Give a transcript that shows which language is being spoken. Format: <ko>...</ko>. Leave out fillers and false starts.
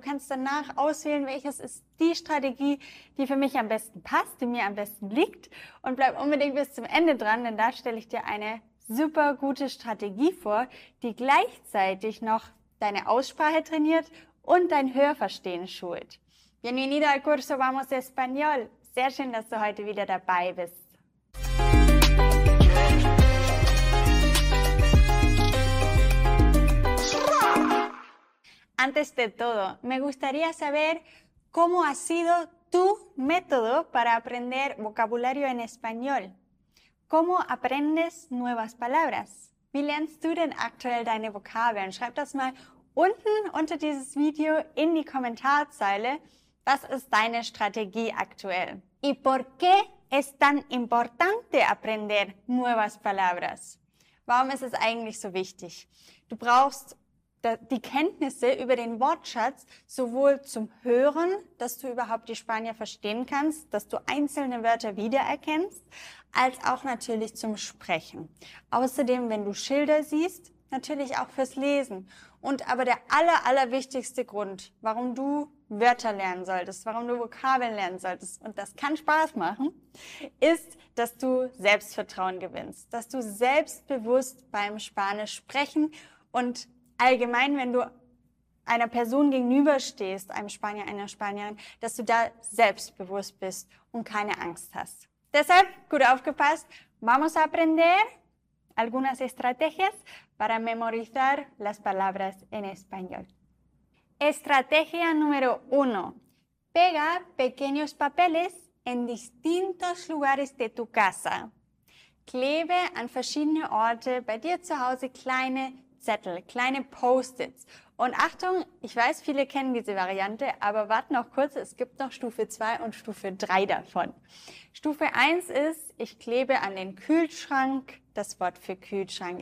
<de>Du kannst danach auswählen, welches ist die Strategie, die für mich am besten passt, die mir am besten liegt. Und bleib unbedingt bis zum Ende dran, denn da stelle ich dir eine super gute Strategie vor, die gleichzeitig noch deine Aussprache trainiert und dein Hörverstehen schult.</de> <es>Bienvenido al curso Vamos Español.</es> <de>Sehr schön, dass du heute wieder dabei bist.</de> <es>Antes de todo, me gustaría saber cómo ha sido tu método para aprender vocabulario en español. ¿Cómo aprendes nuevas palabras?</es> <de>Wie lernst du denn aktuell deine Vokabeln? Schreib das mal unten unter dieses Video in die Kommentarzeile. Was ist deine Strategie aktuell?</de> <es>¿Y por qué es tan importante aprender nuevas palabras?</es> <de>Warum ist es eigentlich so wichtig? Du brauchst die Kenntnisse über den Wortschatz sowohl zum Hören, dass du überhaupt die Spanier verstehen kannst, dass du einzelne Wörter wiedererkennst, als auch natürlich zum Sprechen. Außerdem, wenn du Schilder siehst, natürlich auch fürs Lesen. Und aber der allerwichtigste Grund, warum du Wörter lernen solltest, warum du Vokabeln lernen solltest, und das kann Spaß machen, ist, dass du Selbstvertrauen gewinnst, dass du selbstbewusst beim Spanisch sprechen und allgemein, wenn du einer Person gegenüberstehst, einem Spanier, einer Spanierin, dass du da selbstbewusst bist und keine Angst hast. Deshalb, gut aufgepasst,</de> <es>vamos a aprender algunas estrategias para memorizar las palabras en español. Estrategia número uno. Pega pequeños papeles en distintos lugares de tu casa.</es> <de>Klebe an verschiedene Orte bei dir zu Hause kleine Zettel, kleine Post-its. Und Achtung, ich weiß, viele kennen diese Variante, aber warte noch kurz, es gibt noch Stufe 2 und Stufe 3 davon. Stufe 1 ist, ich klebe an den Kühlschrank, das Wort für Kühlschrank.</de>